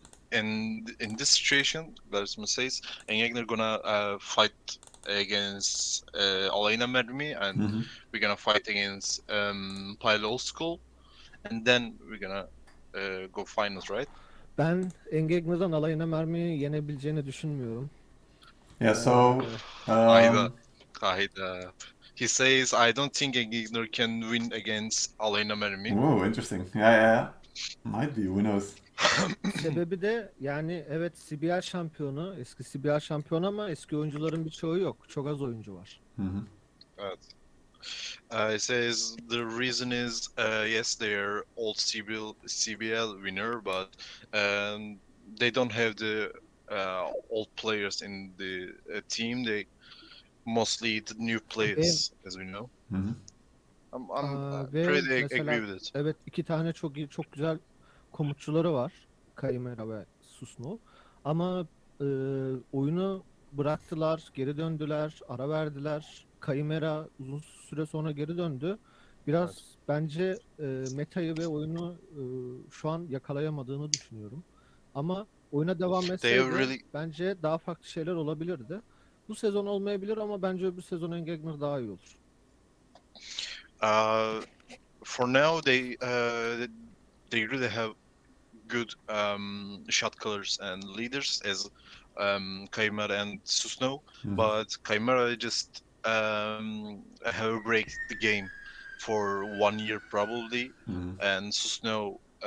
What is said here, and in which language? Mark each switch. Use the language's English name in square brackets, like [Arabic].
[English] In this situation, Larsman says Engekner gonna fight against Alayna Mermi, and we're gonna fight against Pile Old School, and then we're gonna go finals, right? [Turkish] Ben Engegner'dan Alayna Mermi'yi yenebileceğini düşünmüyorum. [English] Yeah, so Kaida. He says I don't think Engegner can win against Alayna Mermi. Oh, interesting. Yeah. Might be, who knows? [Turkish] Sebebi de yani evet CBL şampiyonu, eski CBL şampiyonu ama eski oyuncuların birçoğu yok. Çok az oyuncu var. Evet. [English] It says the reason is yes they are old CBL winner but they don't have the old players in the team. They mostly the new players as we know. I'm pretty agree with it. [Turkish] Evet, iki tane çok iyi, çok güzel komutçuları var. Kaimera ve Susno. Ama oyunu bıraktılar, geri döndüler, ara verdiler. Kaimera uzun süre sonra geri döndü. Biraz bence metayı ve oyunu şu an yakalayamadığını düşünüyorum. Ama oyuna devam etseydi bence daha farklı şeyler olabilirdi. Bu sezon olmayabilir ama bence öbür sezon Engegner daha iyi olur. [English] For now they really have good shot callers and leaders as Kaimera and Susno, but Kaimera just have break the game for 1 year probably, and Susno